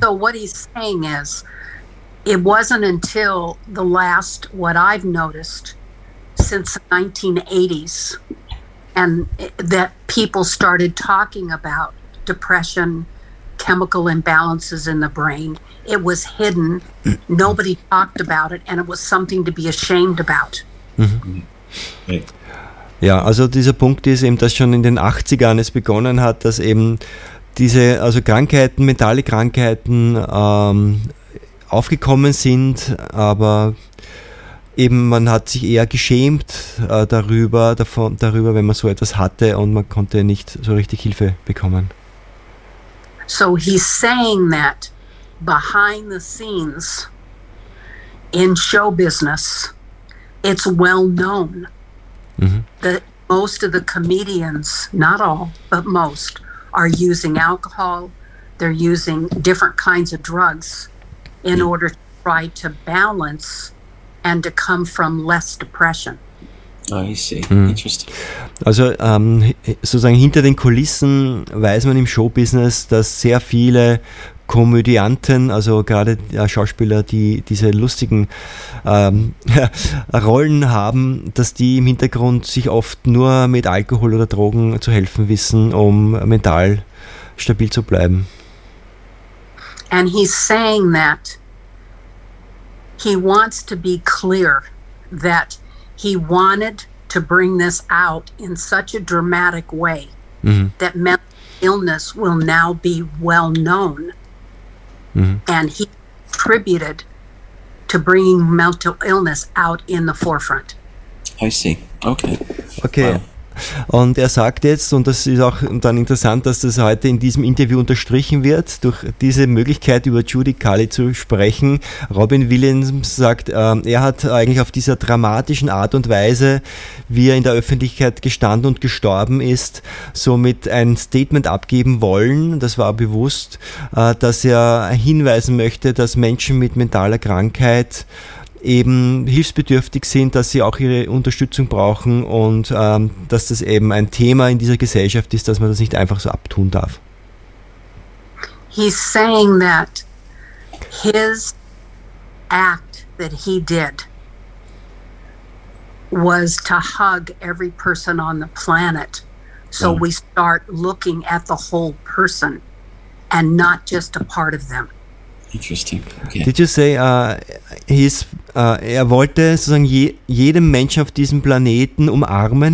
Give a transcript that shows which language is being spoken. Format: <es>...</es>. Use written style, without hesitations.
<en>So what he's saying is, it wasn't until the last, what I've noticed, since the 1980s, and that people started talking about depression, chemical imbalances in the brain. It was hidden. Nobody talked about it, and it was something to be ashamed about.</en> <de>Ja, also dieser Punkt ist eben, dass schon in den 80ern es begonnen hat, dass eben diese also Krankheiten, mentale Krankheiten aufgekommen sind, aber eben man hat sich eher geschämt darüber, wenn man so etwas hatte und man konnte nicht so richtig Hilfe bekommen.</de> <en>So he's saying that behind the scenes in show business, it's well known. Mm-hmm. That most of the comedians, not all, but most, are using alcohol, they're using different kinds of drugs in order to try to balance and to come from less depression. I see. Mm. Interesting.</en> <de>Also sozusagen hinter den Kulissen weiß man im Showbusiness, dass sehr viele Komödianten, also gerade Schauspieler, die diese lustigen Rollen haben, dass die im Hintergrund sich oft nur mit Alkohol oder Drogen zu helfen wissen, um mental stabil zu bleiben.</de> <en>And he's saying that he wants to be clear that he wanted to bring this out in such a dramatic way, mm-hmm. that mental illness will now be well known. Mm-hmm. And he contributed to bringing mental illness out in the forefront. I see. Okay. Okay. Wow.</en> <de>Und sagt jetzt, und das ist auch dann interessant, dass das heute in diesem Interview unterstrichen wird, durch diese Möglichkeit, über Judy Cully zu sprechen. Robin Williams sagt, er hat eigentlich auf dieser dramatischen Art und Weise, wie er in der Öffentlichkeit gestanden und gestorben ist, somit ein Statement abgeben wollen. Das war bewusst, dass er hinweisen möchte, dass Menschen mit mentaler Krankheit eben hilfsbedürftig sind, dass sie auch ihre Unterstützung brauchen und dass das eben ein Thema in dieser Gesellschaft ist, dass man das nicht einfach so abtun darf.</de> <en>He's saying that his act that he did was to hug every person on the planet, so we start looking at the whole person and not just a part of them. Interesting.</en> <de>Okay.</de> <en>Did you say</en> <de>er wollte sozusagen jedem Menschen auf diesem Planeten umarmen?</de>